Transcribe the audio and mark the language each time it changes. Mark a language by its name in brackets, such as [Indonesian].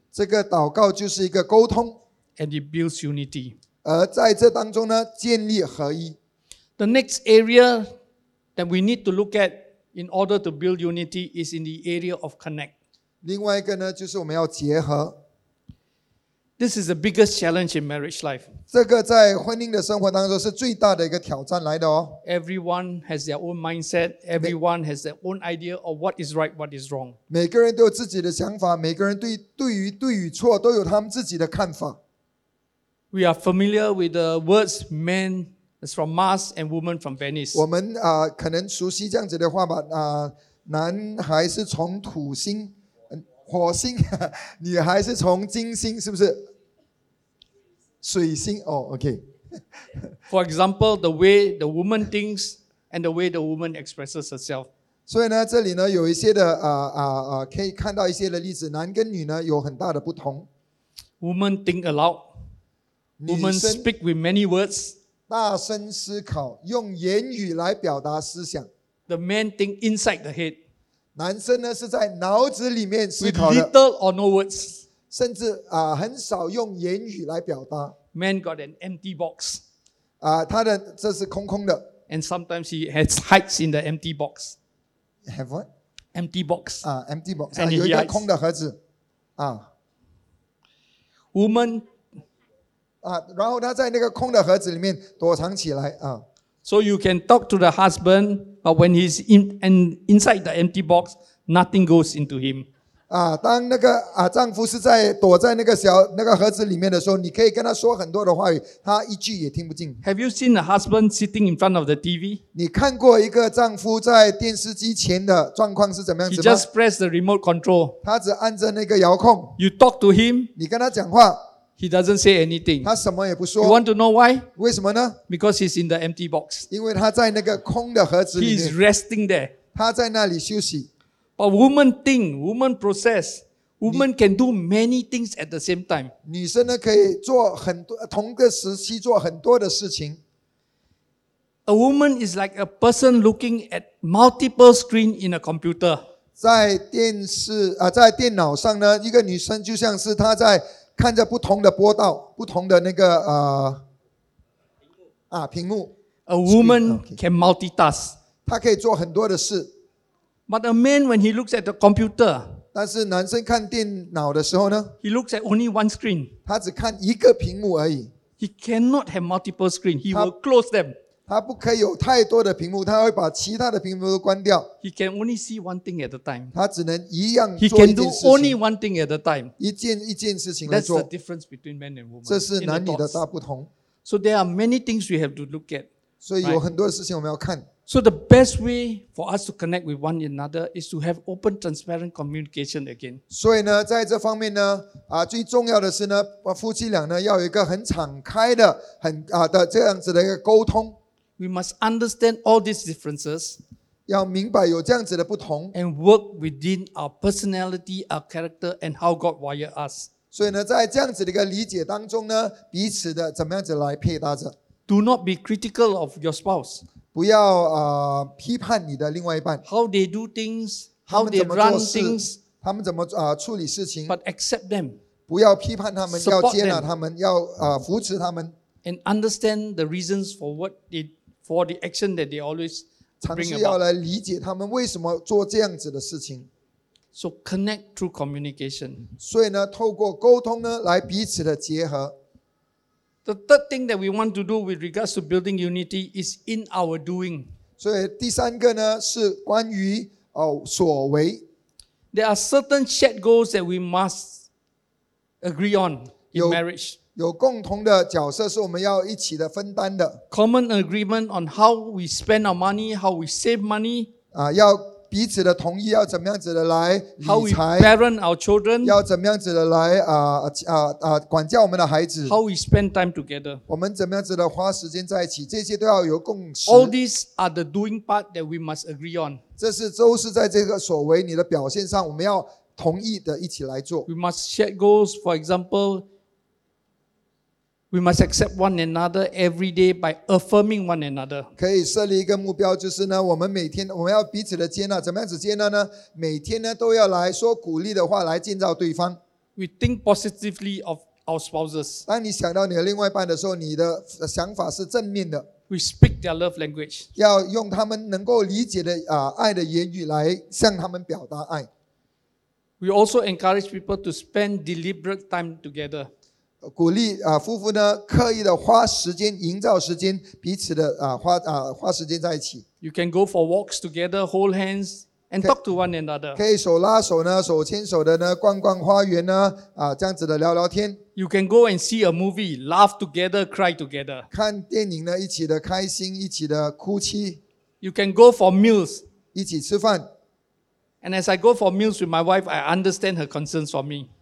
[Chinese] 这个祷告就是一个沟通 [English] ，and it builds unity. [Chinese] 而在这当中呢，建立合一。 [English] The next area that we need to look at in order to build unity is in the area of connect. [Chinese] 另外一个呢，就是我们要结合。 [English] This is the biggest challenge in marriage life. [Chinese] 这个在婚姻的生活当中是最大的一个挑战来的哦。 [English] Everyone has their own mindset. Everyone has their own idea of what is right, what is wrong. [Chinese] 每个人都有自己的想法，每个人对与错都有他们自己的看法。 [English] We are familiar with the words "man is from Mars and woman from Venus." [Chinese] 我们可能熟悉这样子的话吧。男孩是从土星。火星，女孩是从金星，是不是？水星哦、oh, ，OK。 [English] For example, the way the woman thinks and the way the woman expresses herself. [Chinese] 所以呢，这里呢有一些的可以看到一些的例子，男跟女呢有很大的不同。 [English] Woman think aloud. Woman speak with many words. [Chinese] 大声思考，用言语来表达思想。 [English] The man think inside the head. [Chinese] 男生呢是在脑子里面思考 [English] 的 ，with little or no words， [Chinese] 甚至很少用言语来表达。 [English] Man got an empty box， [Chinese] 他的这是空空的。 [English] And sometimes he has hides in the empty box. Have what? Empty box. Empty box. [Chinese] 有一个空的盒子。我们啊，然后他在那个空的盒子里面躲藏起来啊。 [English] So you can talk to the husband, but when he's inside the empty box, nothing goes into him. [Chinese] 啊，当那个啊丈夫是在躲在那个小那个盒子里面的时候，你可以跟他说很多的话语，他一句也听不进。 [English] Have you seen a husband sitting in front of the TV? [Chinese] 你看过一个丈夫在电视机前的状况是怎么样子吗？ [English] He just press the remote control. [Chinese] 他只按着那个遥控。 [English] You talk to him. [Chinese] 你跟他讲话。 [English] He doesn't say anything. [Chinese] 他什么也不说。 [English] You want to know why? [Chinese] 为什么呢？ [English] Because he's in the empty box. [Chinese] 因为他在那个空的盒子里面。 [English] He's resting there. [Chinese] 他在那里休息。 [English] But women think, women process, women can do many things at the same time. [Chinese] 女生呢可以做很多同个时期做很多的事情。 [English] A woman is like a person looking at multiple screens in a computer. [Chinese] 在电视啊，在电脑上呢，一个女生就像是她在。看着不同的波道，不同的那个屏幕。 [English] A woman can multitask. [Chinese] 他可以做很多的事。 [English] But a man, when he looks at the computer, [Chinese] 但是男生看电脑的时候呢 [English] ？He looks at only one screen. [Chinese] 他只看一个屏幕而已。 [English] He cannot have multiple screen. He will close them. [Chinese] 他不可以有太多的屏幕，他会把其他的屏幕都关掉。 [English] He can only see one thing at a time. [Chinese] 他只能一样做一件事情。 [English] He can do only one thing at a time. [Chinese] 一件一件事情来做。 [English] That's the difference between men and women. [Chinese] 这是男女的大不同。 [English] So there are many things we have to look at. [Chinese] 所以有很多事情我们要看。 [English] So the best way for us to connect with one another is to have open, transparent communication again. [Chinese] 所以呢，在这方面呢，最重要的是呢，夫妻俩呢要有一个很敞开的、很的这样子的一个沟通。 [English] We must understand all these differences. [Chinese] 要明白有这样子的不同。 [English] And work within our personality, our character, and how God wired us. [Chinese] 所以呢，在这样子的一个理解当中呢，彼此的怎么样子来配搭着。 [English] Do not be critical of your spouse. [Chinese] 不要批判你的另外一半。 [English] How they do things, how they run things. [Chinese] 他们怎么处理事情。 [English] But accept them. [Chinese] 不要批判他们，要接纳他们，要扶持他们。 [English] And understand the reasons for what they, for the action that they always bring about. [Chinese] 尝试要来理解他们为什么做这样子的事情。 [English] So connect through communication. [Chinese] 所以呢，透过沟通呢，来彼此的结合。 [English] The third thing that we want to do with regards to building unity is in our doing. [Chinese] 所以第三个呢，是关于所为。 [English] There are certain shared goals that we must agree on in marriage. [Chinese] 有共同的角色是我们要一起的分担的。 [English] Common agreement on how we spend our money, how we save money. [Chinese] 要彼此的同意，要怎么样子的来理财。 [English] How we parent our children. [Chinese] 要怎么样子的来管教我们的孩子。 [English] How we spend time together. [Chinese] 我们怎么样子的花时间在一起，这些都要有共识。 [English] All these are the doing part that we must agree on. [Chinese] 这是都是在这个所为你的表现上，我们要同意的一起来做。 [English] We must set goals, for example. We must accept one another every day by affirming one another. [Chinese] 可以设立一个目标，就是呢，我们每天我们要彼此的接纳，怎么样子接纳呢？每天呢都要来说鼓励的话来建造对方。 [English] We think positively of our spouses. [Chinese] 当你想到你的另外一半的时候，你的想法是正面的。 [English] We speak their love language. [Chinese] 要用他们能够理解的爱的言语来向他们表达爱。 [English] We also encourage people to spend deliberate time together. [Chinese] 鼓励夫妇呢，刻意的花时间，营造时间，彼此的花时间在一起。 [English] You can go for walks together, hold hands, and talk to one another. [Chinese] 可以手拉手呢，手牵手的呢，逛逛花园呢，这样子的聊聊天。 [English] You can go and see a movie, laugh together, cry together. [Chinese] 看电影呢，一起的开心，一起的哭泣。 [English] You can go for meals, [Chinese] 一起吃饭。 [English] And as I go for meals with my wife, I understand her concerns for me.